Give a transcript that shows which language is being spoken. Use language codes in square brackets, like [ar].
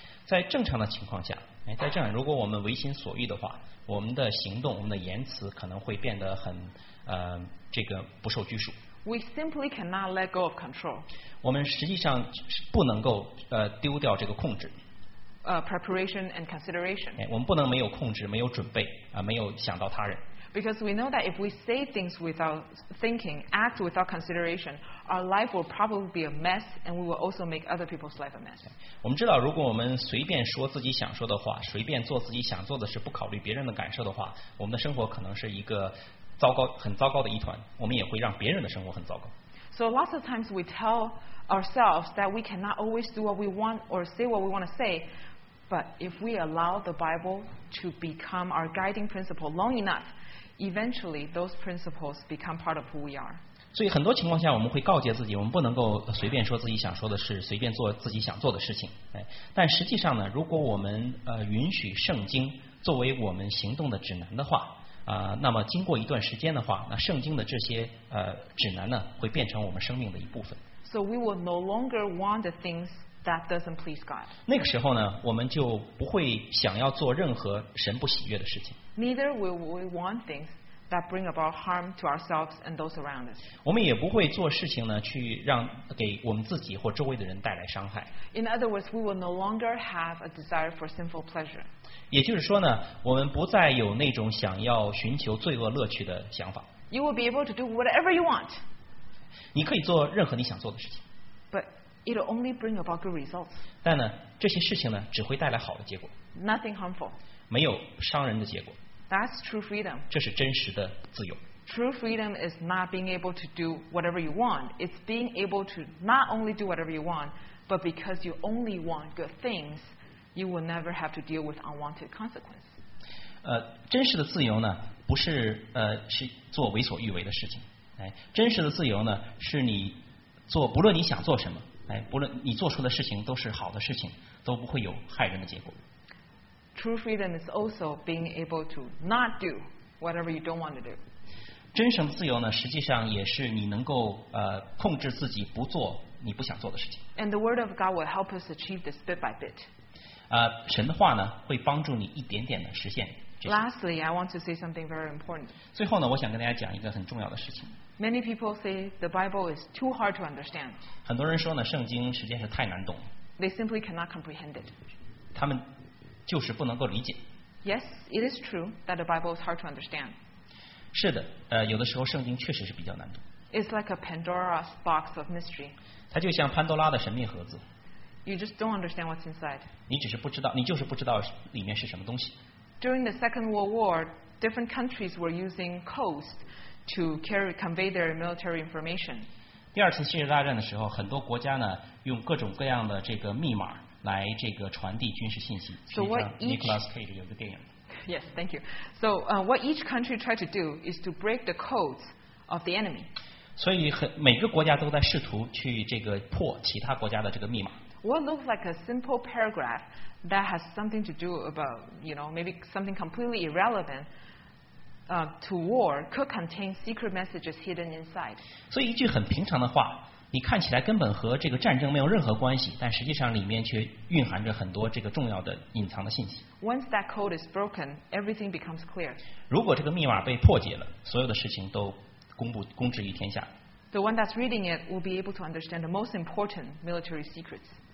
[zh] 在正常的情况下在这样如果我们为心所欲的话我们的行动我们的言辞可能会变得很这个不受拘束 [en] We simply cannot let go of control. [zh] 我们实际上不能够丢掉这个控制。 [en] Preparation and consideration. [zh] 我们不能没有控制，没有准备，没有想到他人。 [en] Because we know that if we say things without thinking, act without consideration, our life will probably be a mess, and we will also make other people's life a mess. [zh] 我们知道，如果我们随便说自己想说的话，随便做自己想做的事，不考虑别人的感受的话，我们的生活可能是一个。糟糕，很糟糕的一团，我们也会让别人的生活很糟糕。 [en] So lots of times we tell ourselves that we cannot always do what we want or say what we want to say, but if we allow the Bible to become our guiding principle long enough, eventually those principles become part of who we are. [zh] 所以很多情况下我们会告诫自己，我们不能够随便说自己想说的事，随便做自己想做的事情。但实际上呢，如果我们允许圣经作为我们行动的指南的话。那么经过一段时间的话，那圣经的这些指南呢，会变成我们生命的一部分。 [en] So we will no longer want the things that doesn't please God. [zh] 那个时候呢，我们就不会想要做任何神不喜悦的事情。 [en] Neither will we want things that bring about harm to ourselves and those around us. [zh] 我们也不会做事情呢，去让给我们自己或周围的人带来伤害。 [en] In other words, we will no longer have a desire for sinful pleasure. [zh] 也就是说呢，我们不再有那种想要寻求罪恶乐趣的想法。 [en] You will be able to do whatever you want. [zh] 你可以做任何你想做的事情。 [en] But it'll only bring about good results. [zh] 但呢，这些事情呢，只会带来好的结果。 [en] Nothing harmful. [zh] 没有伤人的结果。 [en] That's true freedom. [zh] 这是真实的自由。 [en] True freedom is not being able to do whatever you want. It's being able to not only do whatever you want, but because you only want good things. You will never have to deal with unwanted consequence. [zh] 真实的自由呢，不是是做为所欲为的事情。真实的自由呢，是你做不论你想做什么，不论你做出的事情都是好的事情，都不会有害人的结果。 [en] True freedom is also being able to not do whatever you don't want to do. [zh] 真实的自由呢，实际上也是你能够控制自己不做你不想做的事情。 [en] And the word of God will help us achieve this bit by bit. [zh] 神的话呢会帮助你一点点的实现 [en] Lastly, I want to say something very important. [zh] 最后呢我想跟大家讲一个很重要的事情 [en] Many people say the Bible is too hard to understand. [zh] 很多人说呢圣经实际上是太难懂 [en] They simply cannot comprehend it. [zh] 他们就是不能够理解 [en] Yes, it is true that the Bible is hard to understand. [zh] 是的有的时候圣经确实是比较难懂 [en] It's like a Pandora's box of mystery. [zh] 它就像潘多拉的神秘盒子 [en] You just don't understand what's inside. [zh] 你只是不知道，你就是不知道里面是什么东西。 [en] During the Second World War, different countries were using codes to convey their military information. [zh] 第二次世界大战的时候，很多国家呢用各种各样的这个密码来这个传递军事信息。 [en] So what [zh] Nicolas Cage 有个电影。 [en] Yes, thank you. So what each country tried to do is to break the codes of the enemy. [zh] 所以每个国家都在试图去这个破其他国家的这个密码。 [en] What looks like a simple paragraph that has something to do about, you know, maybe something completely irrelevant, to war could contain secret messages hidden inside. [zh] 所以一句很平常的话，你看起来根本和这个战争没有任何关系，但实际上里面却蕴含着很多这个重要的隐藏的信息。 [en] Once that code is broken, everything becomes clear. [zh] 如果这个密码被破解了，所有的事情都公之于天下。 [en] The one that's reading it will be able to understand the most important military secrets.